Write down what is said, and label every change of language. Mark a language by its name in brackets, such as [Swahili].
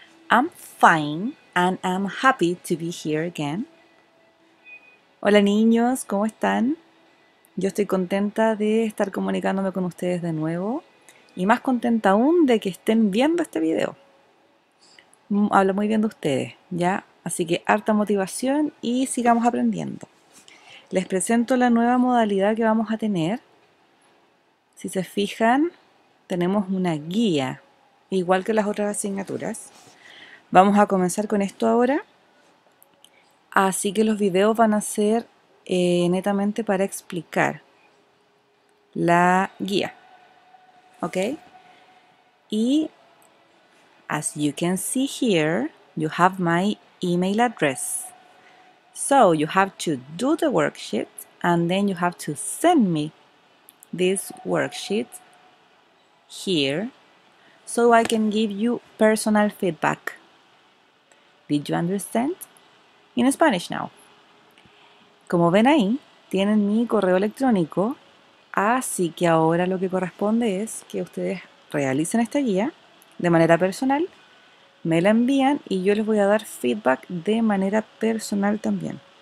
[English] I'm fine and I'm happy to be here again. [Spanish] Hola niños, ¿cómo están? Yo estoy contenta de estar comunicándome con ustedes de nuevo y más contenta aún de que estén viendo este video. Hablo muy bien de ustedes, ¿ya? Así que harta motivación y sigamos aprendiendo. Les presento la nueva modalidad que vamos a tener. Si se fijan, tenemos una guía, igual que las otras asignaturas. Vamos a comenzar con esto ahora. Así que los videos van a ser netamente para explicar la guía. ¿Ok? [English] Y, as you can see here, you have my email address. So, you have to do the worksheet and then you have to send me this worksheet here so I can give you personal feedback. Did you understand? In Spanish now. [Spanish] Como ven ahí, tienen mi correo electrónico, así que ahora lo que corresponde es que ustedes realicen esta guía de manera personal, me la envían y yo les voy a dar feedback de manera personal también.